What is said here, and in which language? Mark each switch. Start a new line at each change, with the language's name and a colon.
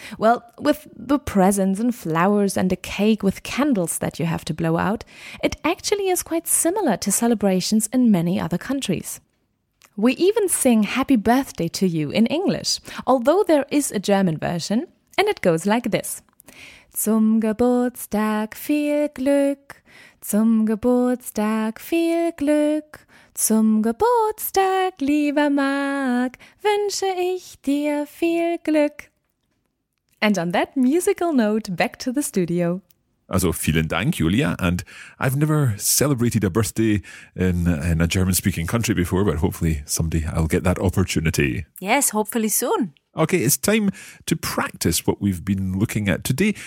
English: Well, with the presents and flowers and a cake with candles that you have to blow out, it actually is quite similar to celebrations in many other countries. We even sing Happy Birthday to you in English, although there is a German version, and it goes like this.
German: Zum Geburtstag viel Glück, zum Geburtstag viel Glück. Zum Geburtstag, lieber Marc, wünsche ich dir viel Glück.
English: And on that musical note, back to the studio.
German: Also, vielen Dank, Julia.
English: And I've never celebrated a birthday in a German-speaking country before, but hopefully someday I'll get that opportunity. Yes, hopefully soon. Okay, it's time to practice what we've been looking at today.